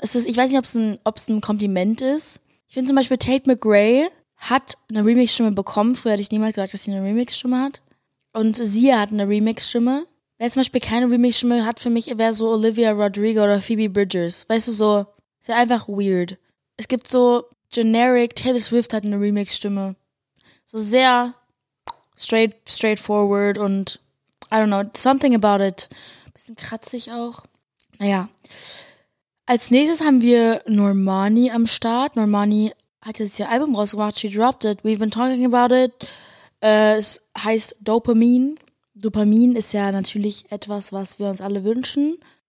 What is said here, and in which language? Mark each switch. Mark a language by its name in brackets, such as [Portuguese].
[German] Ist das, ich weiß nicht, ob es ein Kompliment ist. Ich finde zum Beispiel, Tate McRae hat eine Remix-Stimme bekommen. Früher hatte ich niemals gesagt, dass sie eine Remix-Stimme hat. Und sie hat eine Remix-Stimme. Wer zum Beispiel keine Remix-Stimme hat für mich, wäre so Olivia Rodrigo oder Phoebe Bridgers. Weißt du, so, ist ja einfach weird. Es gibt so generic, Taylor Swift hat eine Remix-Stimme. So sehr [English] straightforward [German] und [English] I don't know, something about it. [German] Bisschen kratzig auch. Naja, als nächstes haben wir Normani am Start. Normani hat jetzt ihr Album rausgebracht, [English] she dropped it, we've been talking about it. [German] Es heißt Dopamin. Dopamin ist ja natürlich etwas, was wir uns alle wünschen.